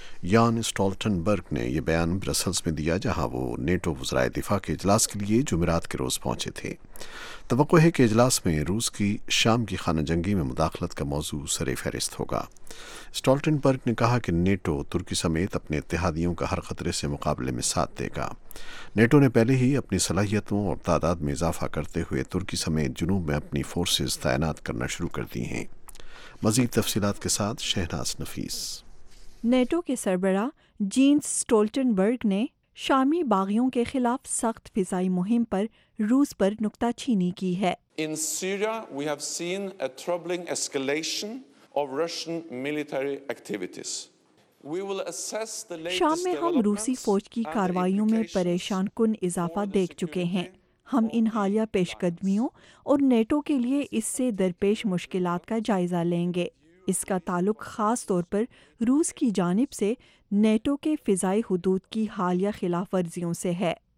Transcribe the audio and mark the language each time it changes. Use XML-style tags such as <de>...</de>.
<ur>یان سٹولٹنبرگ نے یہ بیان برسلز میں دیا جہاں وہ نیٹو وزرائے دفاع کے اجلاس کے لیے جمعرات کے روز پہنچے تھے۔ توقع ہے کہ اجلاس میں روس کی شام کی خانہ جنگی میں مداخلت کا موضوع سر فہرست ہوگا۔ سٹولٹنبرگ نے کہا کہ نیٹو ترکی سمیت اپنے اتحادیوں کا ہر خطرے سے مقابلے میں ساتھ دے گا۔ نیٹو نے پہلے ہی اپنی صلاحیتوں اور تعداد میں اضافہ کرتے ہوئے ترکی سمیت جنوب میں اپنی فورسز تعینات کرنا شروع کر دی ہیں۔ مزید تفصیلات کے ساتھ شہناز نفیس۔ نیٹو کے سربراہ جینس سٹولٹنبرگ نے شامی باغیوں کے خلاف سخت فضائی مہم پر روس پر نکتہ چینی کی ہے.</ur> <en>In Syria, we have seen a troubling escalation of Russian military activities. We will assess the latest.</en> <ur>شام میں ہم روسی فوج کی کاروائیوں میں پریشان کن اضافہ دیکھ چکے ہیں. ہم ان حالیہ پیش قدمیوں اور نیٹو کے لیے اس سے درپیش مشکلات کا جائزہ لیں گے. اس کا تعلق خاص طور پر روس کی جانب سے نیٹو کے فضائی حدود کی حالیہ خلاف ورزیوں سے ہے.</ur>